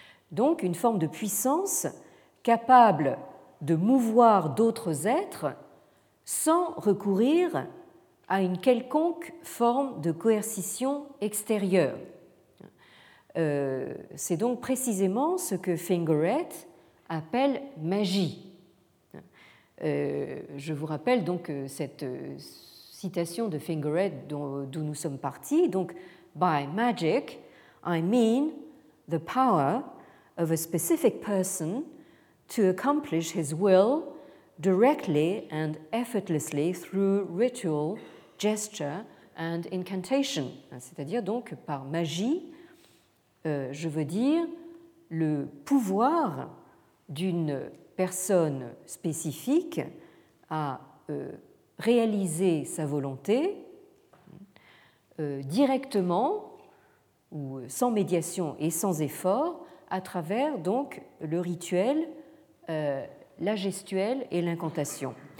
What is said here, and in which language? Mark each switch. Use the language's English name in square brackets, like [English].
[French] Donc une forme de puissance capable de mouvoir d'autres êtres sans recourir à une quelconque forme de coercition extérieure. C'est donc précisément ce que Fingeret appelle magie. Je vous rappelle donc cette citation de Fingeret d'où nous sommes partis. [English] Donc, by magic, I mean the power of a specific person to accomplish his will directly and effortlessly through ritual, gesture and incantation. [French] C'est-à-dire donc par magie, je veux dire le pouvoir d'une personne spécifique à réaliser sa volonté directement ou sans médiation et sans effort à travers donc le rituel, la gestuelle et l'incantation.